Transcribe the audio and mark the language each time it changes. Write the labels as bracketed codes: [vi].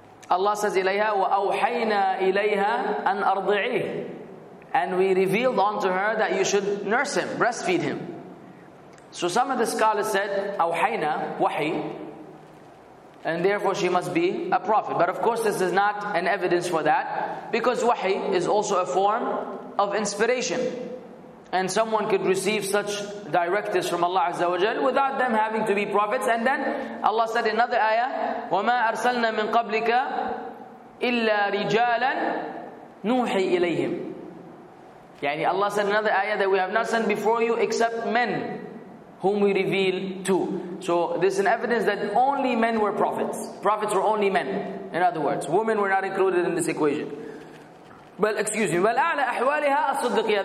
[en] Allah says, [ar] إليها وأوحينا إليها أن أرضعيه. [en] And we revealed unto her that you should nurse him, breastfeed him. So some of the scholars said, "Awhayna wahi," and therefore she must be a prophet. But of course, this is not an evidence for that, because wahi is also a form of inspiration. And someone could receive such directives from Allah Azza wa Jal without them having to be prophets. And then Allah said in another ayah, [ar] وَمَا أَرْسَلْنَا مِنْ قَبْلِكَ إِلَّا رِجَالًا نُوحِي إِلَيْهِمْ. [en] Yani Allah said in another ayah that we have not sent before you except men whom we reveal to. So this is an evidence that only men were prophets. Prophets were only men. In other words, women were not included in this equation. Well, excuse me. [ar] وَالْأَعْلَى أَحْوَالِهَا الصِّدِّقِيَّةِ.